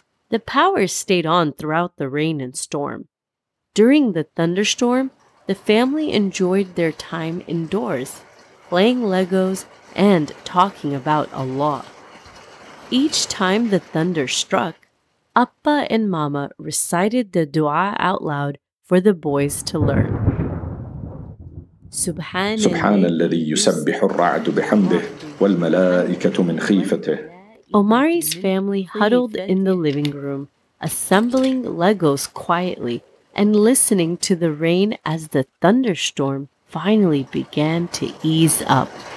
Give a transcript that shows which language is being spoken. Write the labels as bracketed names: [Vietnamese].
[English] The power stayed on throughout the rain and storm. During the thunderstorm, the family enjoyed their time indoors, playing Legos and talking about Allah. Each time the thunder struck, Appa and Mama recited the dua out loud for the boys to learn. [Arabic] سبحان الذي يسبح الرعد بحمده والملائكة من خيفته. [English] Omari's family huddled in the living room, assembling Legos quietly and listening to the rain as the thunderstorm finally began to ease up.